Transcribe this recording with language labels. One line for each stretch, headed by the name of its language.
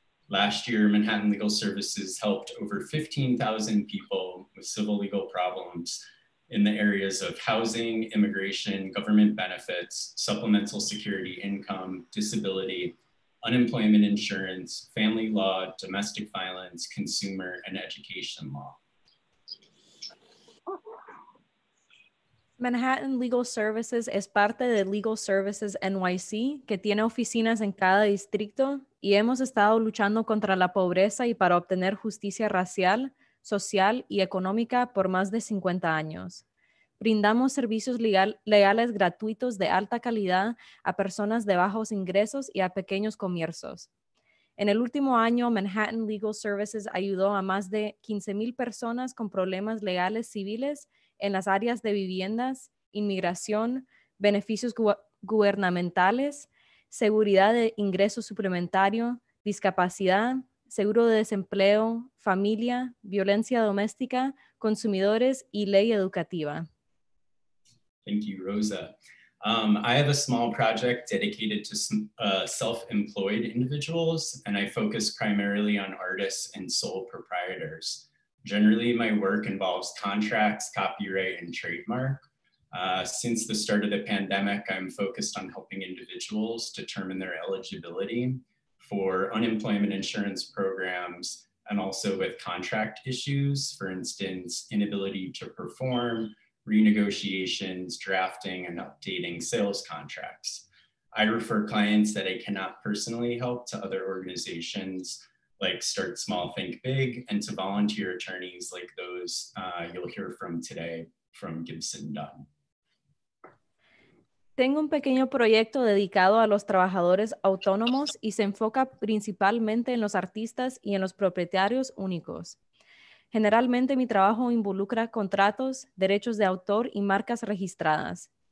English: Last year, Manhattan Legal Services helped over 15,000 people with civil legal problems in the areas of housing, immigration, government benefits, supplemental security income, disability, unemployment insurance, family law, domestic violence, consumer, and education law.
Spanish: Manhattan Legal Services es parte de Legal Services NYC, que tiene oficinas en cada distrito, y hemos estado luchando contra la pobreza y para obtener justicia racial, social y económica por más de 50 años. Brindamos servicios legales gratuitos de alta calidad a personas de bajos ingresos y a pequeños comercios. En el último año, Manhattan Legal Services ayudó a más de 15,000 personas con problemas legales civiles en las áreas de viviendas, inmigración, beneficios gubernamentales, seguridad de ingreso suplementario, discapacidad, seguro de desempleo, familia, violencia doméstica, consumidores y ley educativa.
English: Thank you, Rosa. I have a small project dedicated to self-employed individuals, and I focus primarily on artists and sole proprietors. Generally, my work involves contracts, copyright, and trademark. Since the start of the pandemic, I'm focused on helping individuals determine their eligibility for unemployment insurance programs, and also with contract issues, for instance, inability to perform, renegotiations, drafting, and updating sales contracts. I refer clients that I cannot personally help to other organizations like Start Small, Think Big, and to volunteer attorneys like those you'll hear from today from Gibson Dunn.
Spanish: Tengo un pequeño proyecto dedicado a los trabajadores autónomos y se enfoca principalmente en los artistas y en los propietarios únicos. Generalmente, mi trabajo involucra contratos, derechos de autor y marcas registradas.